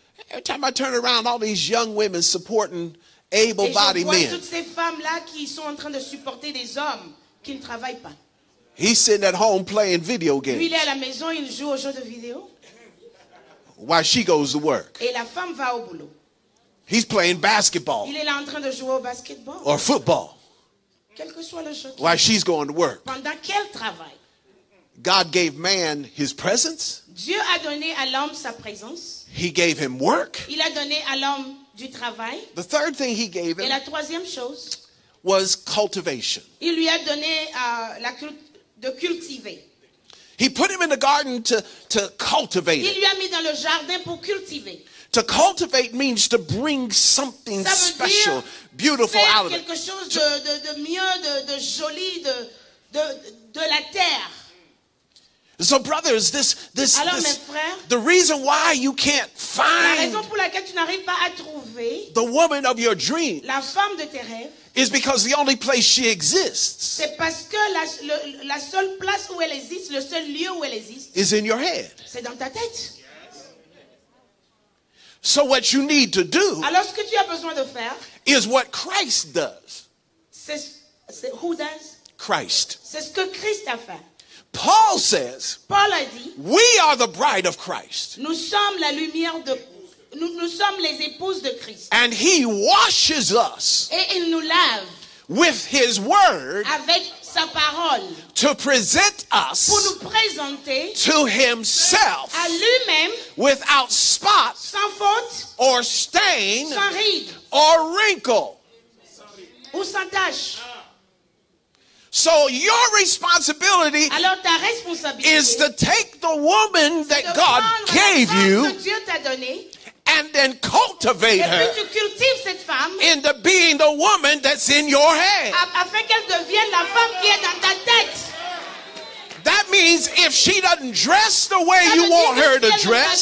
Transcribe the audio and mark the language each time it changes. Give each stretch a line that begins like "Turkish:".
English: Every time I turn around, all these young women supporting able-bodied men.
French: Et je vois toutes ces femmes-là qui sont en train de supporter des hommes qui ne travaillent pas.
English: He's sitting at home playing video games.
French: Lui, il est à la maison, il joue aux jeux de vidéo.
English: While she goes to work.
French: Et la femme va au boulot.
English: He's playing basketball.
French: Il est là en train de jouer au basketball.
English: Or football.
French: Quel que soit le jeu.
English: While she's going to work.
French: Pendant qu'elle travaille.
English: God gave man his presence.
French: Dieu a donné à l'homme sa présence.
English: He gave him work.
French: Il a donné à l'homme du travail.
English: The third thing he gave him.
French: Et la troisième chose.
English: Was cultivation.
French: Il lui a donné la culture de cultiver.
English: He put him in the garden to cultivate.
French: Il lui a mis dans le jardin pour cultiver.
English: To cultivate means to bring something special, beautiful out of it.
French: Quelque chose de mieux, de joli, de la terre.
English: So brothers, this
French: alors, mes frères,
English: the reason why you can't find
French: la raison pour laquelle tu n'arrives pas à trouver
English: the woman of your dream,
French: la femme de tes rêves,
English: is because the only place she exists,
French: c'est parce que la seule place où elle existe, le seul lieu où elle existe,
English: is in your head.
French: C'est dans ta tête.
English: So what you need to do,
French: alors ce que tu as besoin de faire,
English: is what Christ does. C'est who does? Christ.
French: C'est ce que Christ a fait.
English: Paul says,
French: Paul a dit,
English: we are the bride of Christ.
French: Nous sommes la lumière de, nous sommes les épouses de Christ.
English: And he washes us.
French: Et il nous lave.
English: With his word.
French: Avec sa parole.
English: To present us.
French: Pour nous présenter.
English: To himself.
French: À lui-même.
English: Without spot.
French: Sans faute.
English: Or stain.
French: Sans ride.
English: Or wrinkle.
French: Ou sans tache.
English: So your responsibility,
French: alors, ta responsabilité
English: is to take the woman that God gave you and then cultivate her into being the woman that's in your head.
French: Afin qu'elle devienne la femme qui est dans ta tête.
English: That means if she doesn't dress the way you want her to dress,